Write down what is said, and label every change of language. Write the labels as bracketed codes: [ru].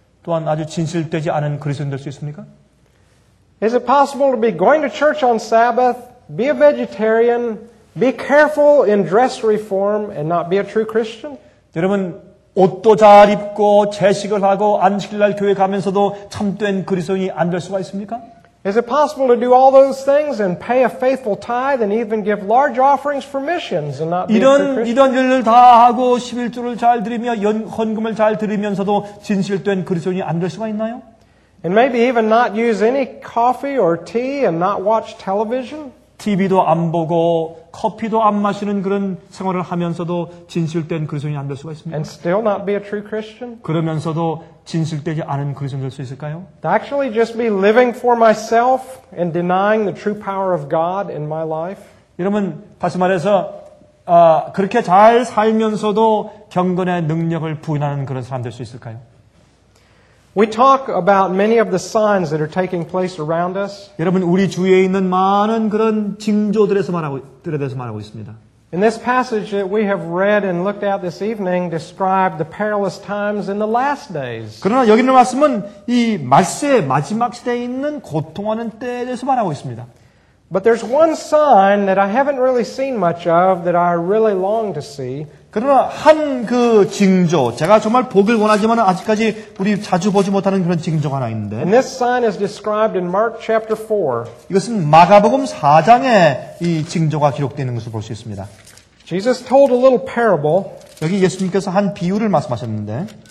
[ko] 또한 아주 진실되지 않은 그리스도인 될 수 있습니까? [en] Is it possible to be going to church on Sabbath, be a vegetarian, be careful in dress reform and not be a true Christian? [ko] 여러분 옷도 잘 입고 채식을 하고 안식일날 교회 가면서도 참된 그리스도인이 안 될 수가 있습니까? [en] Is it possible to do all those things and pay a faithful tithe and even give large offerings for missions and not be a true Christian? [ko] 이런 일을 다 하고 십일조를 잘 드리며 헌금을 잘 드리면서도 진실된 그리스도인이 안 될 수가 있나요? [en] And maybe even not use any coffee or tea and not watch television? [ko] TV도 안 보고 커피도 안 마시는 그런 생활을 하면서도 진실된 그리스도인이 안 될 수가 있습니까? [en] And still not be a true Christian? [ko] 그러면서도 진실되지 않은 그리스도인 될 수 있을까요? [en] To actually just be living for myself and denying the true power of God in my life? [ko] 여러분, 다시 말해서 그렇게 잘 살면서도 경건의 능력을 부인하는 그런 사람 될 수 있을까요? [en] We talk about many of the signs that are taking place around us. [ko] 여러분 우리 주위에 있는 많은 그런 징조들에서 말하고 있습니다. [en] In this passage that we have read and looked at this evening describe the perilous times in the last days. [ko] 그러나 여기 있는 말씀은 이 말세의 마지막 시대에 있는 고통하는 때에 대해서 말하고 있습니다. [en] But there's one sign that I haven't really seen much of that I really long to see. [ko] 그러나 한 그 징조, 제가 정말 보길 원하지만 아직까지 우리 자주 보지 못하는 그런 징조가 하나 있는데. [en] And this sign is described in Mark chapter 4. [ko] 이것은 마가복음 4장에 이 징조가 기록되어 있는 것을 볼 수 있습니다. [en] Jesus told a little parable. [ko] 여기 예수님께서 한 비유를 말씀하셨는데.